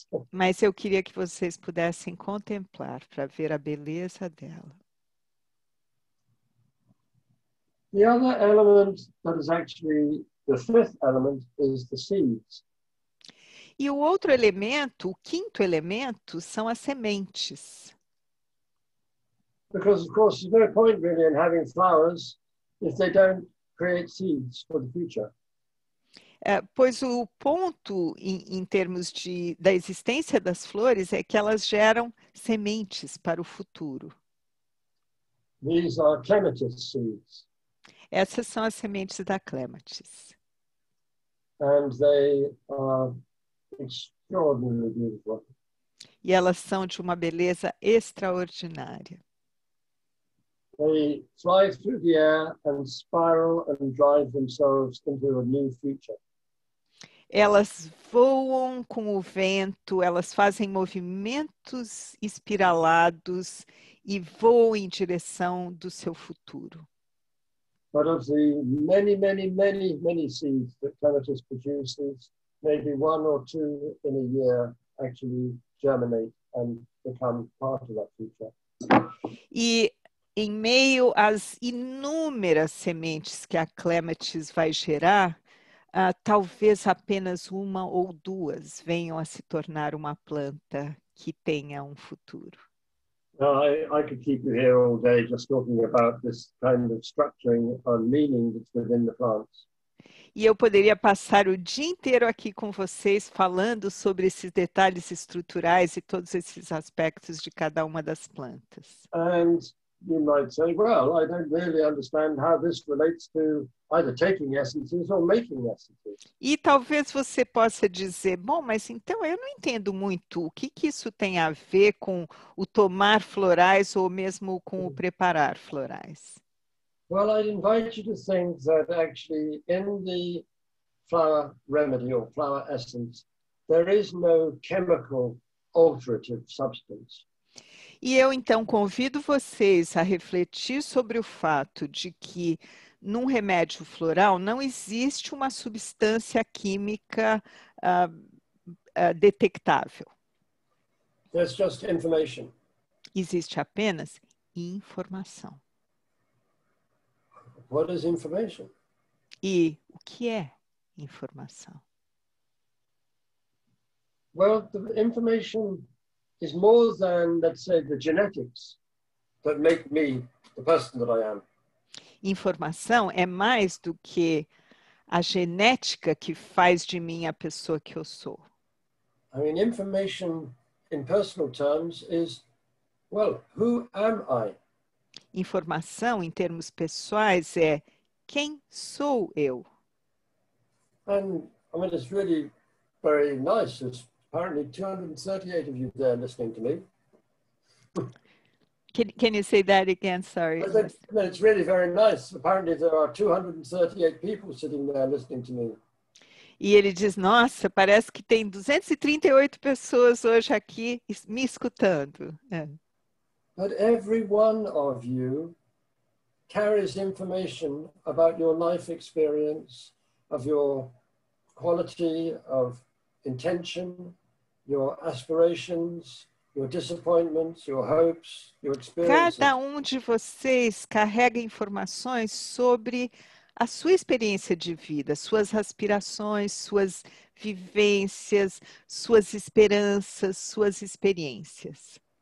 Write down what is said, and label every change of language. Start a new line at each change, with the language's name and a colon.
Portuguese: Mas eu queria que vocês pudessem contemplar para ver a beleza dela.
English: The other element that is actually the fifth element is the seeds.
Portuguese: E o outro elemento, o quinto elemento, são as sementes.
English: Because of course there's no point really in having flowers if they don't create seeds for the future.
Portuguese: Pois o ponto em termos da existência das flores é que elas geram sementes para o futuro.
English: These are clematis seeds.
Portuguese: Essas são as sementes da clematis.
English: And they are extraordinarily beautiful.
Portuguese: E elas são de uma beleza extraordinária.
English: They fly through the air and spiral and drive themselves into a new future.
Portuguese: Elas voam com o vento, elas fazem movimentos espiralados e voam em direção do seu futuro.
English: But of the many, many, many, many seeds that clematis produces, maybe one or two in a year actually germinate and become part of that future.
Portuguese: E em meio às inúmeras sementes que a clematis vai gerar, talvez apenas uma ou duas venham a se tornar uma planta que tenha um futuro.
English: I could keep you here all day just talking about this kind of structuring and meaning that's within the plants.
Portuguese: E eu poderia passar o dia inteiro aqui com vocês falando sobre esses detalhes estruturais e todos esses aspectos de cada uma das plantas.
English: And you might say, well, I don't really understand how this relates to either taking essences or making essences.
Portuguese: E talvez você possa dizer, bom, mas então eu não entendo muito o que isso tem a ver com o tomar florais ou mesmo com o preparar florais.
English: Well, I'd invite you to think that actually in the flower remedy or flower essence, there is no chemical alterative substance.
Portuguese: E eu então convido vocês a refletir sobre o fato de que num remédio floral não existe uma substância química detectável.
English: That's just information.
Portuguese: Existe apenas informação.
English: What is information?
Portuguese: E o que é informação?
English: Well, the information is more than, let's say, the genetics that make me the person that I am.
Portuguese: Informação é mais do que a genética que faz de mim a pessoa que eu sou.
English: I mean, information in personal terms is, well, who am I?
Portuguese: Informação em termos pessoais é quem sou eu?
English: And I mean, it's really very nice. It's apparently 238 of you there listening to me. Can you say that again? Sorry. But it's really very nice. Apparently there are 238 people sitting there listening to me.
Portuguese: E ele diz, nossa, parece que tem 238 pessoas hoje aqui me escutando. É.
English: But every one of you carries information about your life experience, of your quality, of intention, your aspirations, your disappointments, your hopes, your experiences.
Portuguese: Cada de vocês carrega informações sobre a sua experiência de vida, suas aspirações, suas vivências, suas esperanças, suas experiências.